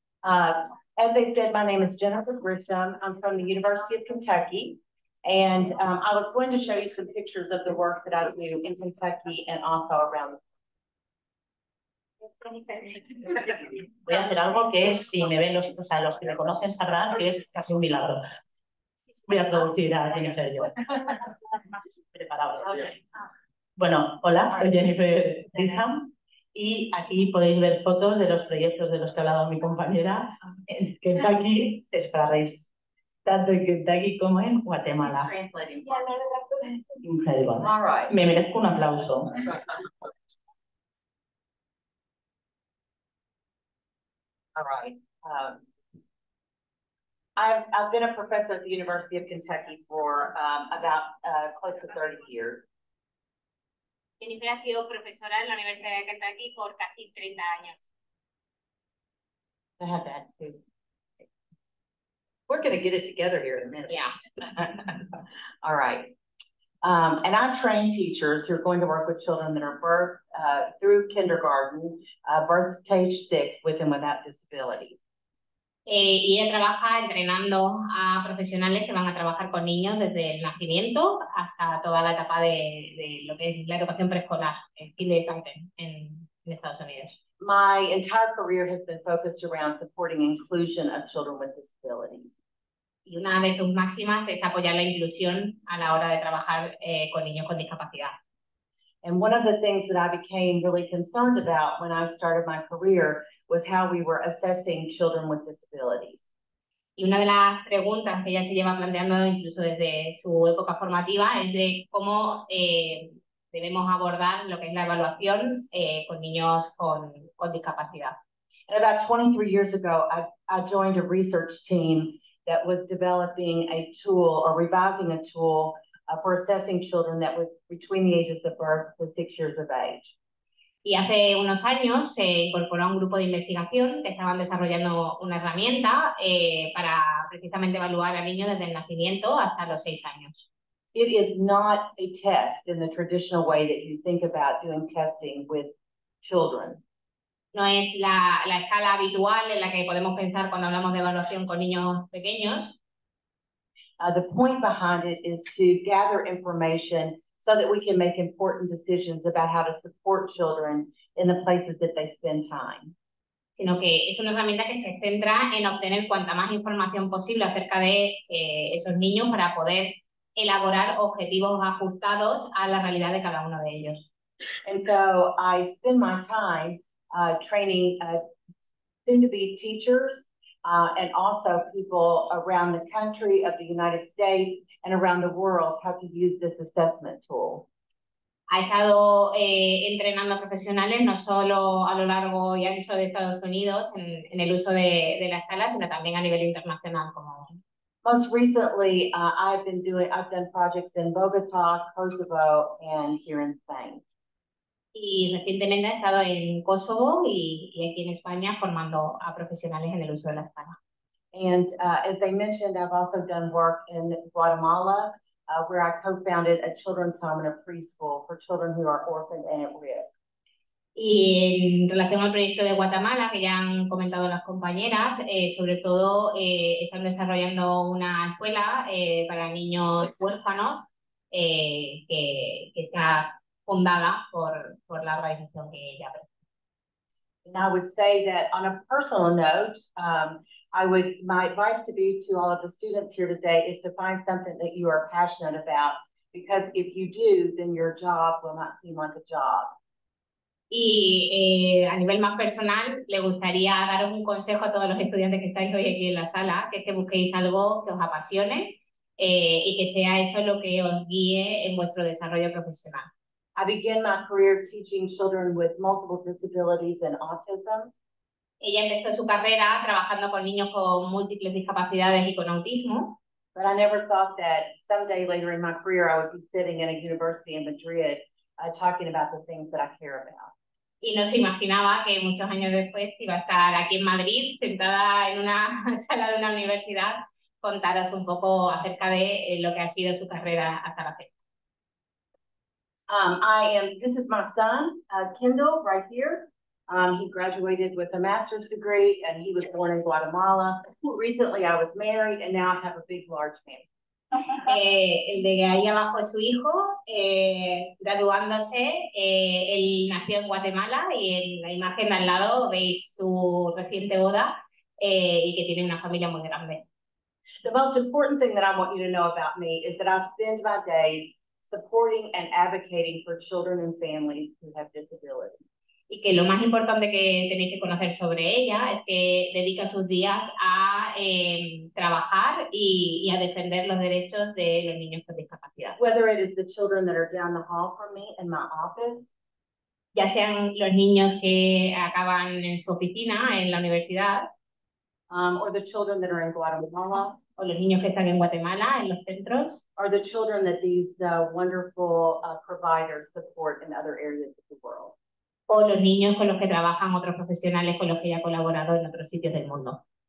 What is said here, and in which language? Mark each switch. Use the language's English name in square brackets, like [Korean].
[English] As they said, my name is Jennifer Grisham. I'm from the University of Kentucky, and I was going to show you some pictures of the work that I do in Kentucky and also around the country. [Spanish] Voy a hacer algo que si me ven los que me conocen sabrán que es casi un milagro. Voy a traducir a quien sea yo. Preparado. Okay. Bueno, hola, soy Jennifer Grisham y aquí podéis ver fotos de los proyectos de los que ha hablado mi compañera en Kentucky, es para reír, tanto en Kentucky como en Guatemala. Increíble. [English] All right. [Spanish] Me merezco un aplauso. [English] All right. I've been a professor at the University of Kentucky for about close to 30 years. [Spanish] Jennifer ha sido profesora en la Universidad de Kentucky por casi 30 años. [English] I have that too. We're going to get it together here in a minute. Yeah. All right. And I train teachers who are going to work with children that are birth through kindergarten, birth to age 6, with and without disabilities. [Spanish] Y ella trabaja entrenando a profesionales que van a trabajar con niños desde el nacimiento hasta toda la etapa de lo que es la educación preescolar, el kindergarten en Estados Unidos. [English] My entire career has been focused around supporting inclusion of children with disabilities. [Spanish] Y una de sus máximas es apoyar la inclusión a la hora de trabajar con niños con discapacidad. [English] And one of the things that I became really concerned about when I started my career was how we were assessing children with disabilities. [Spanish] Y una de las preguntas que ella se lleva planteando incluso desde su época formativa es de cómo debemos abordar lo que es la evaluación con niños con discapacidad. [English] And about 23 years ago, I joined a research team that was developing a tool or revising a tool for assessing children that was between the ages of birth to 6 years of age. [Spanish] Y hace unos años se incorporó a un grupo de investigación que estaban desarrollando una herramienta para precisamente evaluar a niños desde el nacimiento hasta los 6 años. [English] It is not a test in the traditional way that you think about doing testing with children. [Spanish] No es la escala habitual en la que podemos pensar cuando hablamos de evaluación con niños pequeños. [English] The point behind it is to gather information so that we can make important decisions about how to support children in the places that they spend time. [Spanish] Sino que es una herramienta que se centra en obtener cuanta más información posible acerca de esos niños para poder elaborar objetivos ajustados a la realidad de cada uno de ellos. [English] And so I spend my time training soon to be teachers and also people around the country of the United States and around the world how to use this assessment tool. [Spanish] Ha estado entrenando profesionales no solo a lo largo y ancho de Estados Unidos en el uso de la escala, sino también a nivel internacional como. [English] Most recently, I've done projects in Bogotá, Kosovo, and here in Spain. [Spanish] Y recientemente ha estado en Kosovo y aquí en España formando a profesionales en el uso de la escala. [English] And as they mentioned, I've also done work in Guatemala, where I co-founded a children's home and a preschool for children who are orphaned and at risk. [Spanish] Y en relación al proyecto de Guatemala, que ya han comentado las compañeras, sobre todo están desarrollando una escuela para niños huérfanos que está fundada por la organización que ella presenta. [English] And I would say that on a personal note, my advice to be to all of the students here today is to find something that you are passionate about, because if you do, then your job will not seem like a job. [Spanish] Y a nivel más personal, le gustaría daros un consejo a todos los estudiantes que estáis hoy aquí en la sala, que es que busquéis algo que os apasione y que sea eso lo que os guíe en vuestro desarrollo profesional. [English] I began my career teaching children with multiple disabilities and autism. [Spanish] Ella empezó su carrera trabajando con niños con múltiples discapacidades y con autismo. [English] But I never thought that someday later in my career I would be sitting in a university in Madrid, talking about the things that I care about. [Spanish] Y no se imaginaba que muchos años después iba a estar aquí en Madrid, sentada en una sala de una universidad, contaros un poco acerca de lo que ha sido su carrera hasta la fecha. [English] This is my son, Kendall, right here. He graduated with a master's degree, and he was born in Guatemala. Recently, I was married, and now I have a big, large family. [Spanish] El de ahí abajo es su hijo, graduándose. Él nació en Guatemala y en la imagen de al lado veis su reciente boda y que tiene una familia muy grande. [English] The most important thing that I want you to know about me is that I spend my days supporting and advocating for children and families who have disabilities. [Spanish] Y que lo más importante que tenéis que conocer sobre ella es que dedica sus días a trabajar y a defender los derechos de los niños con discapacidad. [English] Whether it is the children that are down the hall from me in my office, [Spanish] Ya sean los niños que acaban en su oficina en la universidad, [English] or the children that are in Guatemala, [Spanish] o los niños que están en Guatemala en los centros. [English] or the children that these wonderful providers support in other areas of the world. [Spanish] O los niños con los que trabajan otros profesionales con los que ya ha colaborado en otros sitios del mundo.